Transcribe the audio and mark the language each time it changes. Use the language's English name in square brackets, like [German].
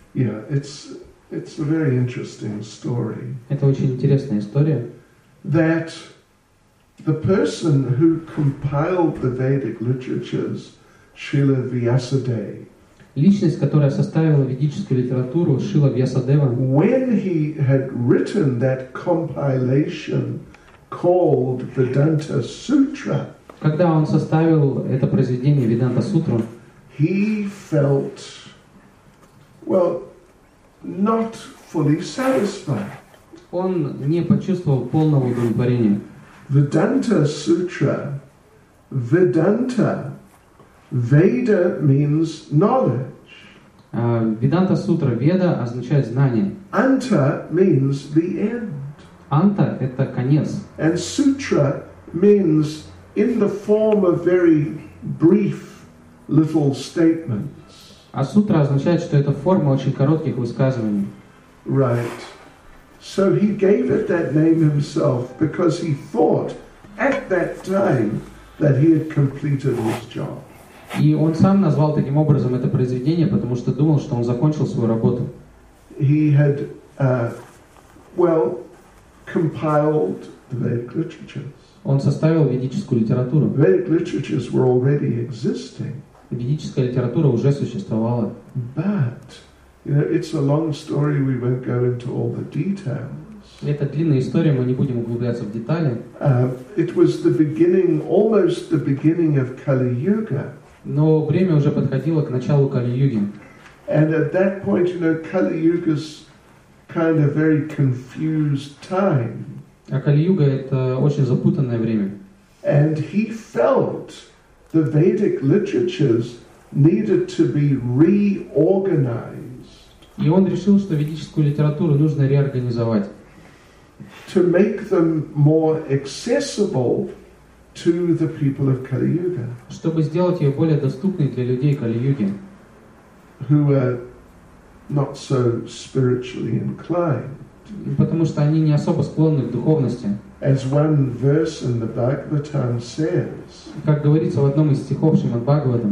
[English] Yeah, it's a very interesting story. [Russian] Это очень интересная история. [English] That the person who compiled the Vedic literatures, Srila Vyasadeva. [Russian] Личность, которая составила ведическую литературу, Шрила Вьясадева. [English] When he had written that compilation called Vedanta Sutra. [Russian] Когда он составил это произведение Веданта Сутру, [English] he felt, well, not fully satisfied. [Russian] Он не почувствовал полного удовлетворения. [English] Vedanta Sutra, Vedanta, Veda means knowledge. [Russian] Vedanta Sutra, Veda означает знание. [English] Anta means the end. [Russian] Anta – это конец. [English] And Sutra means in the form of very brief little statements. [Russian] А Сутра означает, что это форма очень коротких высказываний. [English] Right. So he gave it that name himself because he thought at that time that he had completed his job. [Russian] И он сам назвал таким образом это произведение, потому что думал, что он закончил свою работу. [English] He had, well, compiled the Vedic literatures. [Russian] Он составил ведическую литературу. [English] Vedic literatures were already existing. [Russian] Ведическая литература уже существовала. [English] But, you know, it's a long story, we won't go into all the details. [Russian] Это длинная история, мы не будем углубляться в детали. [English] It was the beginning, almost the beginning of Kali-Yuga. [Russian] Но время уже подходило к началу Кали-Юги. [English] And at that point, you know, Kali-Yuga's kind of very confused time. [Russian] А Кали-Юга – это очень запутанное время. [English] And he felt the Vedic literatures needed to be reorganized. [Russian] И он решил, что ведическую литературу нужно реорганизовать. [English] To make them more accessible to the people of Kali-Yuga. [Russian] Чтобы сделать ее более доступной для людей Кали-Юги. [English] Who are not so spiritually inclined. [Russian] Потому что они не особо склонны к духовности. [English] As one verse in the Bhagavatam says. [Russian] Как говорится в одном из стихов Шримад-Бхагаватам.